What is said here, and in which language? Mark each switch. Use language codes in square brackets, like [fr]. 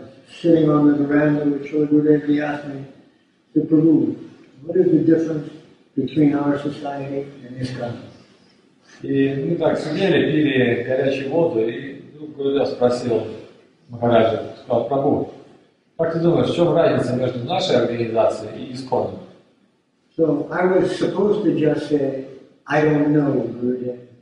[en] Sitting on the veranda with Chodurde, he asked me to Prabhu, what is the difference between our society and his country? [ru] И мы так сидели, пили горячую воду, и вдруг Гурудев спросил Махараджа, сказал, Прабху, как ты думаешь, в чем разница между нашей организацией и ИСККОН? [en] So I was supposed to just say, I don't know, Gurudev.